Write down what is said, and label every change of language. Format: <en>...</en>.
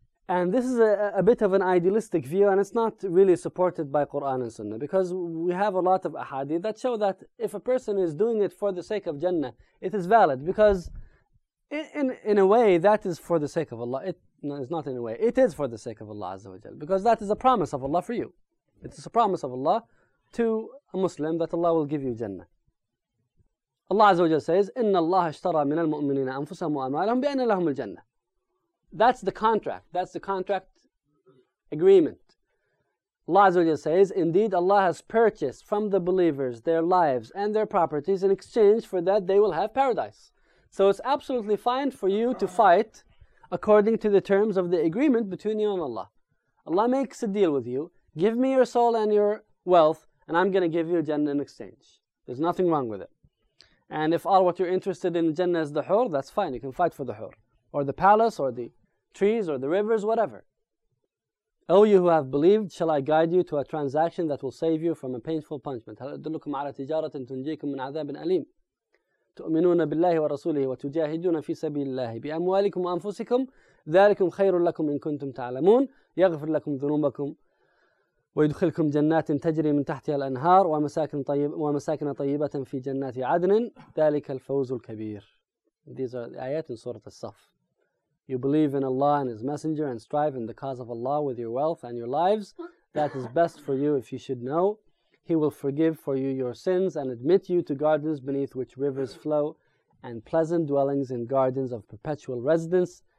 <en>And this is a bit of an idealistic view, and it's not really supported by Quran and Sunnah, because we have a lot of ahadith that show that if a person is doing it for the sake of Jannah, it is valid, because in a way that is for the sake of Allah. It is for the sake of Allah Azza wa Jal, because that is a promise of Allah for you. It is a promise of Allah to a Muslim that Allah will give you Jannah. Allah Azza wa Jal says,</en> <ar>إِنَّ اللَّهَ اشْتَرَى مِنَ الْمُؤْمِنِينَ أَنفُسَهُمْ وَأَمْوَالَهُمْ بِأَنَّ لَهُمُ الْجَنَّةِ.</ar> <en>That's the contract. That's the contract agreement. Allah Azza wa Jal says, indeed Allah has purchased from the believers their lives and their properties. In exchange for that, they will have paradise. So it's absolutely fine for you to fight according to the terms of the agreement between you and Allah. Allah makes a deal with you. Give me your soul and your wealth, and I'm going to give you Jannah in exchange. There's nothing wrong with it. And if all what you're interested in Jannah is the hur, that's fine. You can fight for the hur, or the palace, or the trees, or the rivers, whatever. O you who have believed, shall I guide you to a transaction that will save you from a painful punishment?</en> <ar>هَلَدُلُّكُمْ عَلَىٰ تِجَارَةٍ تُنْجِيكُمْ مِنْ عَذَابٍ أَلِيمٍ تُؤْمِنُونَ بِاللَّهِ وَرَسُولِهِ وَتُجَاهِدُونَ فِي سَبِيلِ اللَّهِ بِأَمْوَالِكُمْ وَأَنفُسِكُمْ ذَلِكُمْ خَيْرٌ لَكُمْ إِن كُنْتُمْ تَعْلَمُونَ يَغْفِرْ لَكُمْ ذُنُوبَكُمْ ويدخلكم جنات تجري من تحتها الأنهار ومساكن طيبة في جنات عدن ذلك الفوز الكبير.</ar> <en>These are the ayat in Surah As-Saff. you believe in Allah and His Messenger and strive in the cause of Allah with your wealth and your lives, that is best for you if you should know. He will forgive for you your sins and admit you to gardens beneath which rivers flow and pleasant dwellings in gardens of perpetual residence.</en>